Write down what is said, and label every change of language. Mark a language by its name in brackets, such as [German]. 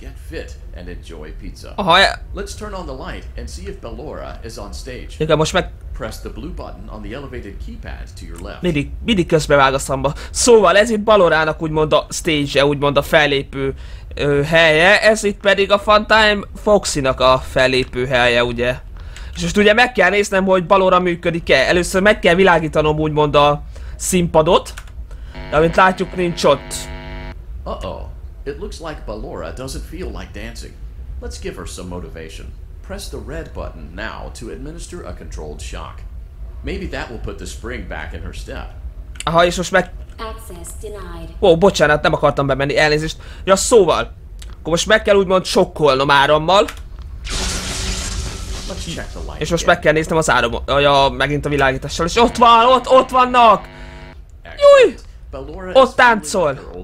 [English] Aha, let's turn on the light and see if Ballora is on stage. [Hungarian] Igen, most meg... [English] Press the blue button on the elevated keypad to your left. [Hungarian] Mindig közbevág a szamba. Szóval ez itt Ballorának úgymond a stage-e, úgymond a fellépő helye. Ez itt pedig a Funtime Foxy-nak a fellépő helye, ugye? És most ugye meg kell néznem, hogy balóra működik-e. Először meg kell világítanom úgymond a színpadot. De amint látjuk, nincs ott. [English] Uh-oh. It looks like Ballora doesn't feel like dancing. Let's give her some motivation. Press the red button now to administer a controlled shock. Maybe that will put the spring back in her step. [Hungarian] Aha, és most meg... [English] Access denied. [Hungarian] Wow, bocsánat, nem akartam bemenni, elnézést. Ja, szóval. Akkor most meg kell úgymond sokkolnom árammal. És most meg kell néznem az áram, megint a világítással, és ott van, ott vannak! Júj! Ott táncol!